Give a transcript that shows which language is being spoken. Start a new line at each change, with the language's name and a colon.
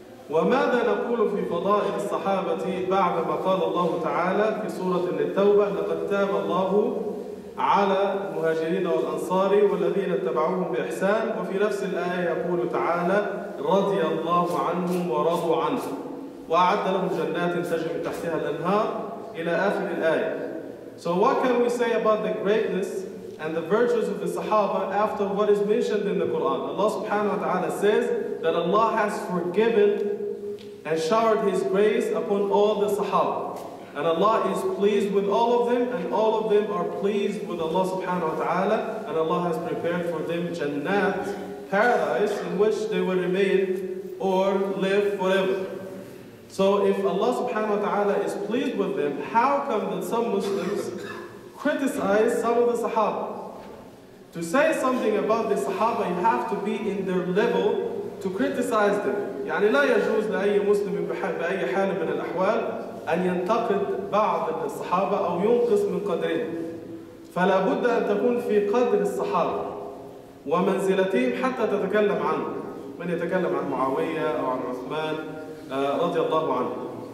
Arabic: وماذا نقول في فضائل الصحابة بعد ما قال الله تعالى في سورة التوبة: لقد تاب الله على المهاجرين والأنصار والذين اتبعوهم بإحسان، وفي نفس الآية يقول تعالى: رضي الله عنهم ورضوا عنه وأعد لهم جنات تجري من تحتها الأنهار إلى آخر الآية.
English: So what can we say about the greatness and the virtues of the Sahaba after what is mentioned in the Quran? Allah subhanahu wa ta'ala says that Allah has forgiven and showered His grace upon all the Sahaba. And Allah is pleased with all of them, and all of them are pleased with Allah subhanahu wa ta'ala, and Allah has prepared for them Jannat, paradise, in which they will remain or live forever. So if Allah subhanahu wa ta'ala is pleased with them, how come that some Muslims criticize some of the Sahaba? To say something about the Sahaba, you have to be in their level to criticize them.
Arabic: يعني لا يجوز لأي مسلم بأي حال من الأحوال أن ينتقد بعض الصحابة أو ينقص من قدرهم. فلا بد أن تكون في قدر الصحابة ومنزلتهم حتى تتكلم عنه. من يتكلم عن معاوية أو عن عثمان رضي الله عنه.